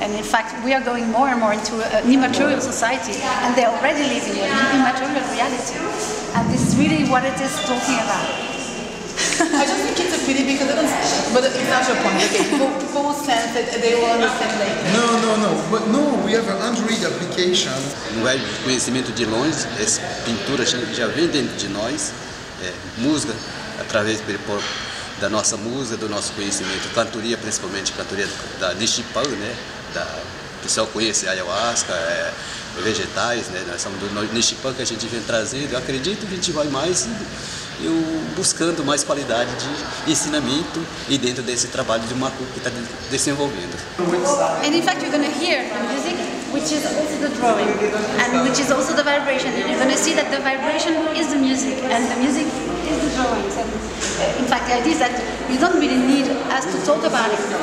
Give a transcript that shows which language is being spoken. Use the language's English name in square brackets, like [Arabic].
[English] And in fact, we are going more and more into an immaterial society, and they're already living in an immaterial reality. And this is really what it is talking about. I just think it's a pity because it's not your point. People will sense that they will understand later. No. But no, we have an Android application. [Portuguese] Não é conhecimento de longe, essa pintura já vem dentro de nós. É, música, através da nossa música, do nosso conhecimento, cantoria, principalmente cantoria da Nishipan, né? O pessoal conhece ayahuasca, vegetais, né? Nós somos do Nishipan que a gente vem trazendo. Eu acredito que a gente vai mais eu buscando mais qualidade de ensinamento e dentro desse trabalho de Maku que está desenvolvendo. [English] And in fact, you're going to hear the music, which is also the drawing, and which is also the vibration. You're going to see that the vibration is the music, and the music is the drawing. And in fact, the idea is that you don't really need us to talk about it.